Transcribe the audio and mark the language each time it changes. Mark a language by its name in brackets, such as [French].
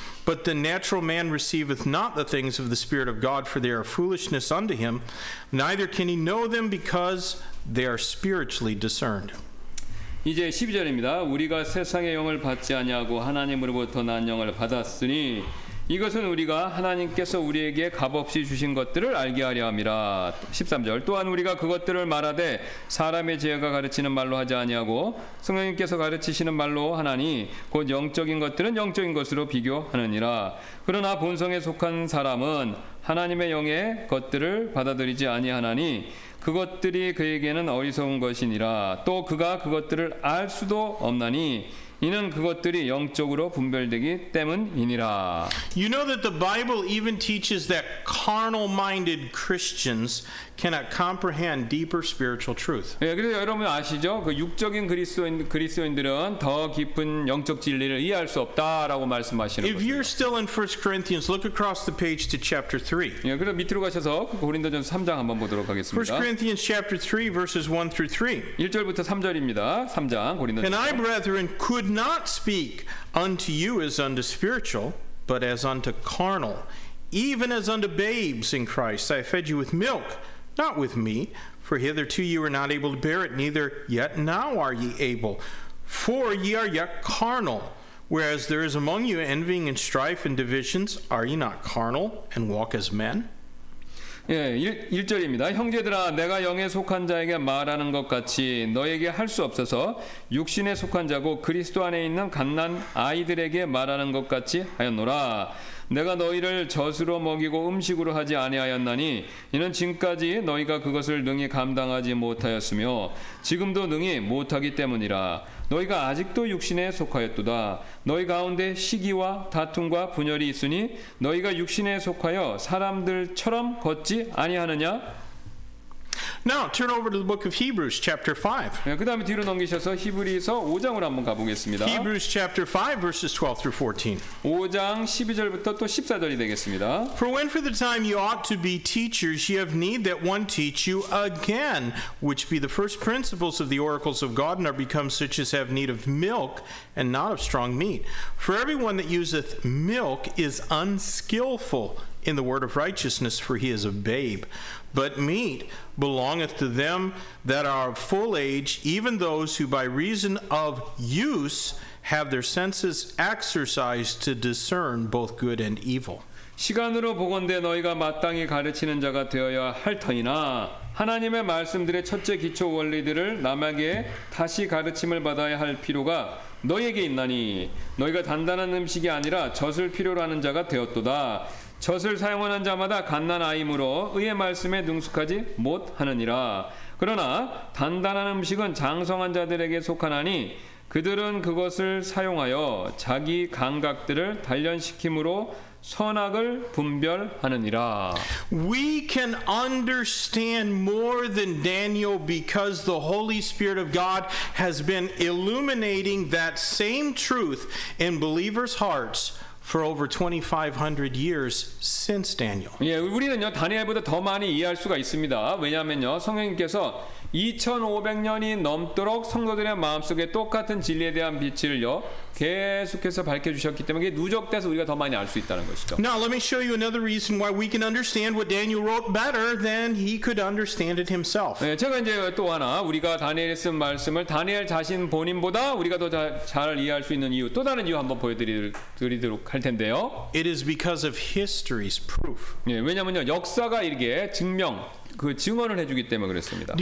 [English] But the natural man receiveth not the things of the Spirit of God, for they are foolishness unto him, neither can he know them because they are spiritually discerned. [Korean] 이제 12절입니다. 우리가 세상의 영을 받지 아니하고 하나님으로부터 난 영을 받았으니 이것은 우리가 하나님께서 우리에게 값없이 주신 것들을 알게 하려 함이라. 13절 또한 우리가 그것들을 말하되 사람의 지혜가 가르치는 말로 하지 아니하고 성령님께서 가르치시는 말로 하나니 곧 영적인 것들은 영적인 것으로 비교하느니라. 그러나 본성에 속한 사람은 하나님의 영의 것들을 받아들이지 아니하나니 그것들이 그에게는 어디서 온 것이니라. 또 그가 그것들을 알 수도 없나니 이는 그것들이 영적으로 분별되기 때문이니라. [English] You know that the Bible even teaches that carnal-minded Christians cannot comprehend deeper spiritual truth. [Korean] 예, 그래서 여러분 아시죠? 그 육적인 그리스도인들은 더 깊은 영적 진리를 이해할 수 없다라고 말씀하시는 거예요. [English] If you're still in 1 Corinthians, look across the page to chapter 3. [Korean] 예, 그럼 밑으로 가셔서 고린도전서 3장 한번 보도록 하겠습니다. [English] 1 Corinthians chapter 3 verses 1 through 3. [Korean] 1절부터 3절입니다. 3장 고린도전서. [English] And I, brethren, could not speak unto you as unto spiritual, but as unto carnal, even as unto babes in Christ. I fed you with milk, not with meat, for hitherto you were not able to bear it, neither yet now are ye able. For ye are yet carnal, whereas there is among you envying and strife and divisions, are ye not carnal, and walk as men? [Korean] 예, 1절입니다. 형제들아, 내가 영에 속한 자에게 말하는 것 같이 너에게 할 수 없어서 육신에 속한 자고 그리스도 안에 있는 갓난 아이들에게 말하는 것 같이 하였노라. 내가 너희를 젖으로 먹이고 음식으로 하지 아니하였나니 이는 지금까지 너희가 그것을 능히 감당하지 못하였으며 지금도 능히 못하기 때문이라. 너희가 아직도 육신에 속하였도다. 너희 가운데 시기와 다툼과 분열이 있으니 너희가 육신에 속하여 사람들처럼 걷지 아니하느냐? [English] Now turn over to the book of Hebrews chapter 5. [Korean] 네, 그다음에 뒤로 넘기셔서 히브리서 5장으로 한번 가보겠습니다. [English] Hebrews chapter 5 verses 12 through 14. [Korean] 5장 12절부터 또 14절이 되겠습니다. [English] For when for the time you ought to be teachers, ye have need that one teach you again, which be the first principles of the oracles of God, and are become such as have need of milk and not of strong meat. For everyone that useth milk is unskillful in the word of righteousness, for he is a babe. But meat belongeth to them that are of full age, even those who by reason of use have their senses exercised to discern both good and evil. [Korean] 시간으로 보건대 너희가 마땅히 가르치는 자가 되어야 할 터이나 하나님의 말씀들의 첫째 기초 원리들을 남에게 다시 가르침을 받아야 할 필요가 너희에게 있나니 너희가 단단한 음식이 아니라 젖을 필요로 하는 자가 되었도다. 젖을 사용하는 자마다 갓난아이므로 의의 말씀에 능숙하지 못하느니라. 그러나 단단한 음식은 장성한 자들에게 속하나니 그들은 그것을 사용하여 자기 감각들을 단련시킴으로 선악을 분별하느니라. [English] We can understand more than Daniel because the Holy Spirit of God has been illuminating that same truth in believers' hearts for over 2500 years since Daniel. [Korean] 예, 우리는요, 다니엘보다 더 많이 이해할 수가 있습니다. 왜냐하면요, 성령님께서 2500년이 넘도록 성도들의 마음속에 똑같은 진리에 대한 빛을요 계속해서 밝혀 주셨기 때문에 그게 누적돼서 우리가 더 많이 알 수 있다는 것이죠. [English] Now let me show you another reason why we can understand what Daniel wrote better than he could understand it himself. [Korean] 네, 제가 이제 또 하나 우리가 다니엘이 쓴 말씀을 다니엘 자신 본인보다 우리가 더 잘 이해할 수 있는 이유 또 다른 이유 한번 보여드리도록 할 텐데요. [English] It is because of history's proof. [Korean] 네, 왜냐면요 역사가 이렇게 증명 그 증언을 해주기 때문에 그랬습니다.